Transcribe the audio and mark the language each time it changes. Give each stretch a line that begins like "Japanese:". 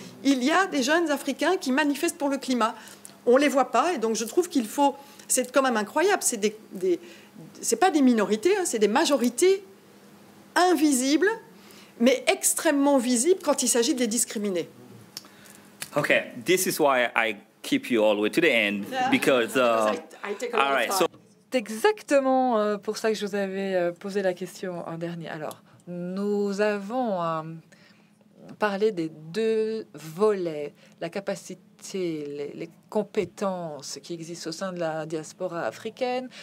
French: Il y a des jeunes africains qui manifestent pour le climat. On ne les voit pas, et donc je trouve qu'il faut... C'est quand même incroyable, ce n'est pas des minorités, hein, c'est des majorités invisibles, mais extrêmement visibles quand il s'agit de les discriminer.
English: OK, this is why I keep you all the way to the end, because... I take a lot of time. So...
French: C'est exactement pour ça que je vous avais posé la question en dernier. Alors, nous avons parlé des deux volets, la capacité, les compétences qui existent au sein de la diaspora africaine.